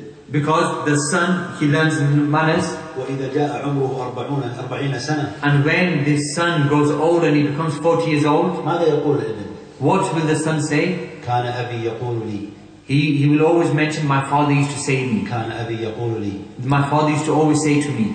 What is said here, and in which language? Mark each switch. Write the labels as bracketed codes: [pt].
[en] Because the son, he learns manners. [ar] وإذا جاء عمره أربعين سنة. [en] And when this son grows old and he becomes 40 years old, [ar] ماذا يقول الابن؟ [en] What will the son say? [ar] كان أبي يقول لي. [en] He will always mention, my father used to say to me. [ar] كان أبي يقول لي. [en] My father used to always say to me.